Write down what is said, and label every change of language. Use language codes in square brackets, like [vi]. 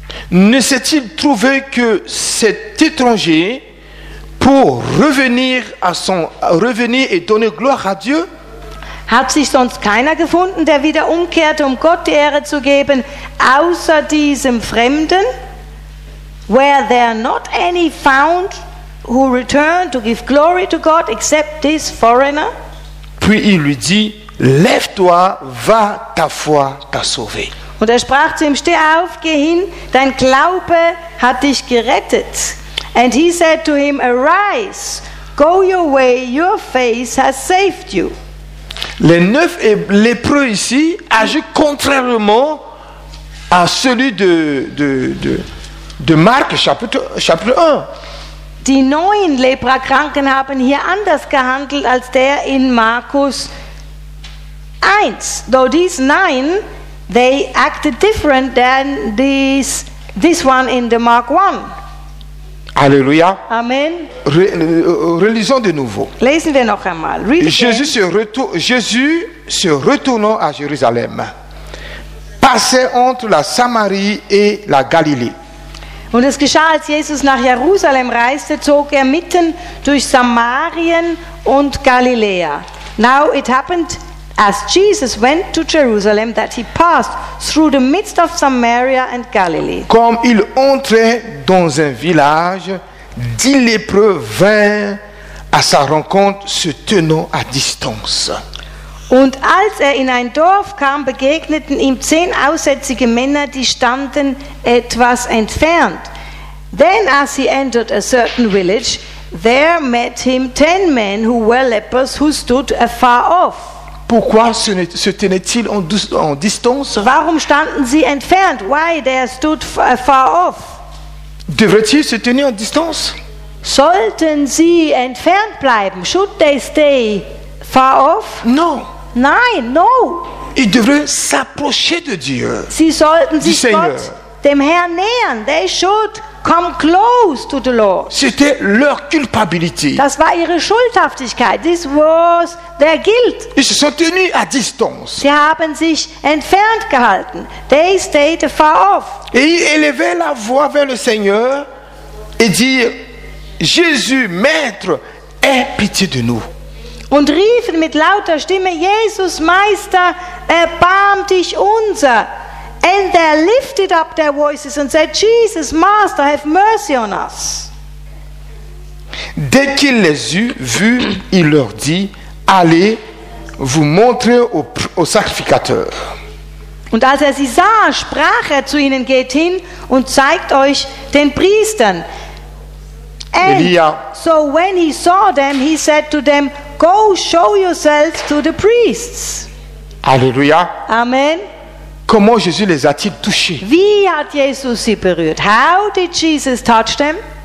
[fr] Ne s'est-il trouvé que cet étranger pour revenir et donner gloire à Dieu? [de] Hat sich sonst keiner gefunden, der wieder umkehrte, um Gott die Ehre zu geben, außer diesem Fremden? [en] Were there not any found who returned to give glory to God except this foreigner? [fr] Puis il lui dit, lève-toi, va, ta foi t'a sauvé. [de] Und er sprach zu ihm, steh auf, geh hin, dein Glaube hat dich gerettet. [en] And he said to him, arise, go your way, your faith has saved you. [fr] Les 9 lépreux ici agissent contrairement à celui de Marc chapitre 1. [de] Die 9 Leprakranken haben hier anders gehandelt als der in Markus 1. [en] Though these 9, they acted different than this one in the Mark 1. Alléluia. Amen. [fr] Relisons de nouveau. [de] Lesen wir noch einmal. [fr] Jésus se retournant à Jérusalem, passait entre la Samarie et la Galilée. [de] Und es geschah, als Jesus nach Jerusalem reiste, zog er mitten durch Samarien und Galiläa. [en] Now it happened, as Jesus went to Jerusalem, that he passed through the midst of Samaria and Galilee. [fr] Comme il entrait dans un village, 10 lépreux vinrent à sa rencontre, se tenant à distance. [de] Und als er in ein Dorf kam, begegneten ihm 10 aussätzige Männer, die standen etwas entfernt. [en] Then as he entered a certain village, there met him 10 men who were lepers, who stood afar off. [fr] Pourquoi se tenaient-ils en distance? [de] Warum standen sie entfernt? [en] Why they stood far off? [fr] Devraient-ils se tenir en distance? [de] Sollten sie entfernt bleiben? [en] Should they stay far off? [fr] Non. [de] Nein, [en] no. [fr] Ils devraient s'approcher de Dieu. [de] Sie sollten sich Gott, dem Herrn nähern. [en] They should come close to the Lord. [fr] C'était leur culpabilité. [de] Das war ihre Schuldhaftigkeit. [en] This was their guilt. [fr] Ils se sont tenus à distance. [de] Sie haben sich entfernt gehalten. [en] They stayed far off. [fr] Et ils élevaient la voix vers le Seigneur et dirent, Jésus, Maître, aie pitié de nous. [de] Und riefen mit lauter Stimme, Jesus, Meister, erbarm dich unser. [en] And they lifted up their voices and said, Jesus, Master, have mercy on us. [fr] Dès qu'il les eut vus, il leur dit, allez, vous montrez au sacrificateur. [de] Und als er sie sah, sprach er zu ihnen, geht hin und zeigt euch den Priestern. And Elia. [en] So when he saw them, he said to them, go show yourselves to the priests. Alléluia. Amen. [fr] Comment Jésus les a-t-il touchés? [de] Wie hat Jesus sie berührt? [en] How did Jesus touch them?